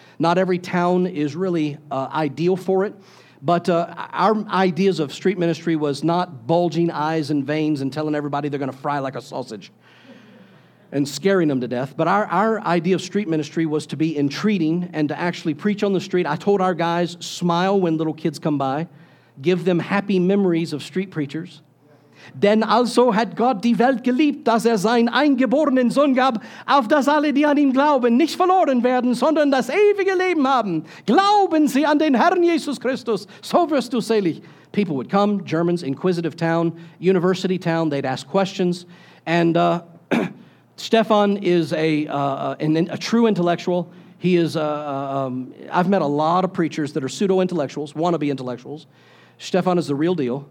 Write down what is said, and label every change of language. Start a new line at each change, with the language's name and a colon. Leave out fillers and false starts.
English: Not every town is really ideal for it. But our ideas of street ministry was not bulging eyes and veins and telling everybody they're going to fry like a sausage and scaring them to death. But our idea of street ministry was to be entreating and to actually preach on the street. I told our guys, smile when little kids come by. Give them happy memories of street preachers.
German: Denn also hat Gott die Welt geliebt, dass seinen eingeborenen Sohn gab, auf dass alle, die an ihn glauben, nicht verloren werden, sondern das ewige Leben haben. Glauben Sie an den Herrn Jesus Christus, so wirst du selig.
English: People would come, Germans, inquisitive town, university town, they'd ask questions. And Stefan is a true intellectual. He is, I've met a lot of preachers that are pseudo-intellectuals, wannabe intellectuals. Stefan is the real deal.